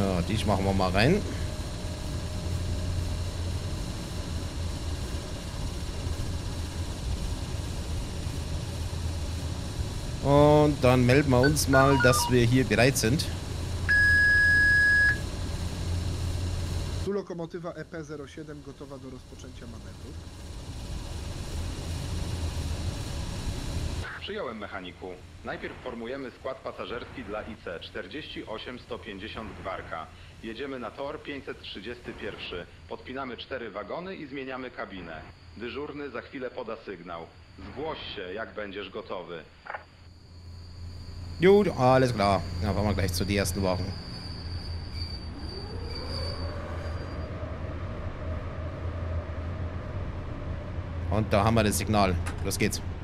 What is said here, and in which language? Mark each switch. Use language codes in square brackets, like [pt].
[de] Die machen wir mal rein. Und dann melden wir uns mal, dass wir hier bereit sind. [pl] Tu Lokomotywa EP07 gotowa do rozpoczęcia manewru. Przyjąłem, mechaniku. Najpierw formujemy skład pasażerski dla IC 48-150 Gwarka. Jedziemy na tor 531. Podpinamy 4 wagony i zmieniamy kabinę. Dyżurny za chwilę poda sygnał. Zgłoś się, jak będziesz gotowy. [de] Gut, alles klar. Dann fahren wir gleich zu den ersten Wagen. Und da haben wir das Signal. Los geht's.